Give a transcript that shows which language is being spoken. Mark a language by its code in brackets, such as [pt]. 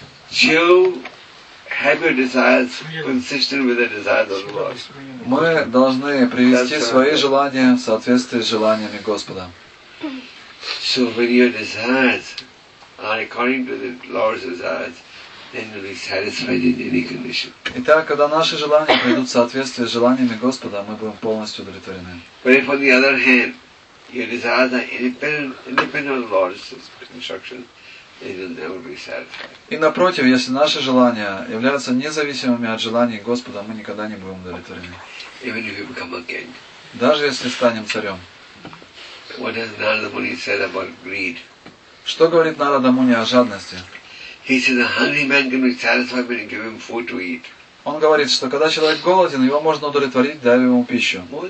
[en] Two, have your desires consistent with the desires of the Lord. [ru] Мы должны привести свои желания в соответствие с желаниями Господа. [en] So when your desires are according to the Lord's desires, then you'll be satisfied in any condition. [ru] Итак, когда наши желания придут в соответствие с желаниями Господа, мы будем полностью удовлетворены. [en] But if on the other hand, your desires are independent of the Lord's instructions, then you'll never be satisfied. [ru] И напротив, если наши желания являются независимыми от желаний Господа, мы никогда не будем удовлетворены. [en] Even if you become a king. [ru] Даже если станем царем. [en] What has Narada Muni said about greed? [ru] Что говорит Нарада Муни о жадности? [en] He says a hungry man can be satisfied when you give him food to eat. [ru] Он говорит, что когда человек голоден, его можно удовлетворить, дав ему пищу.